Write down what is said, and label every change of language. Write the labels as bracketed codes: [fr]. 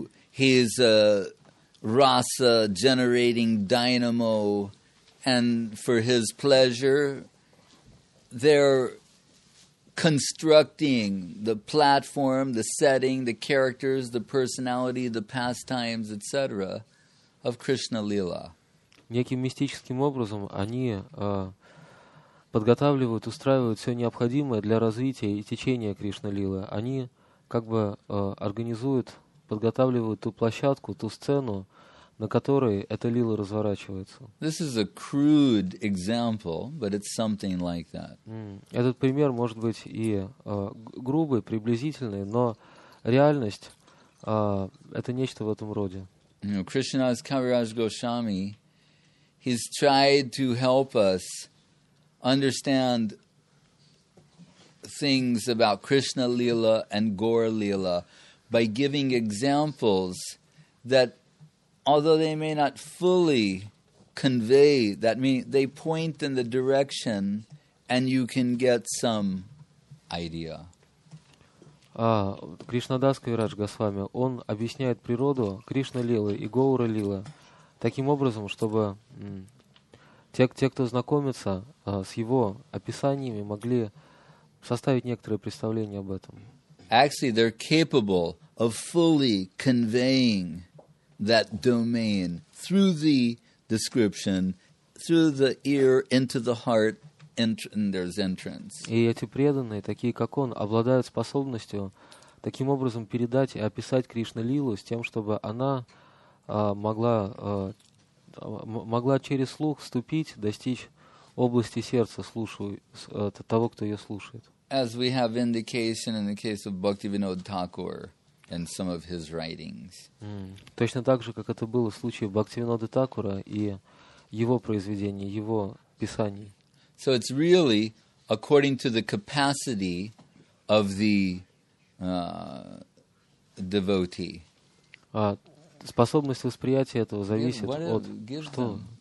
[en] He's a rasa-generating dynamo, and for his pleasure, they're constructing the platform, the setting, the characters, the personality, the pastimes, etc., of Krishna Lila. [ru] Неким мистическим образом они подготавливают, устраивают все необходимое для развития и течения Кришна-лилы. Они как бы организуют, подготавливают ту площадку, ту сцену, на которой эта лила разворачивается. [en] This is a crude example, but it's something like that. [ru] Этот пример может быть и грубый, приблизительный, но реальность это нечто в этом роде. Кришна из Кавираж Гошами. [en] He's tried to help us understand things about Krishna Lila and Gaur Lila by giving examples that, although they may not fully convey that meaning, they point in the direction and you can get some idea. [ru] Кришнадас Кавираж Госвами, он объясняет природу Кришна Лилы и Гаура Лилы таким образом, чтобы те, кто знакомится с его описаниями, могли составить некоторое представление об этом. [en] Actually, they're capable of fully conveying that domain through the description, through the ear into the heart, and there's entrance. [ru] И эти преданные, такие как он, обладают способностью таким образом передать и описать Кришна-лилу с тем, чтобы она могла через слух вступить, достичь области сердца того, кто ее слушает. [en] As we have indication in the case of Bhaktivinoda Thakur and some of his writings. [ru] Точно так же, как это было в случае Бхактивинода Такура и его произведений, его писаний. [en] So it's really according to the capacity of the devotee. [ru] Способность восприятия этого зависит от что?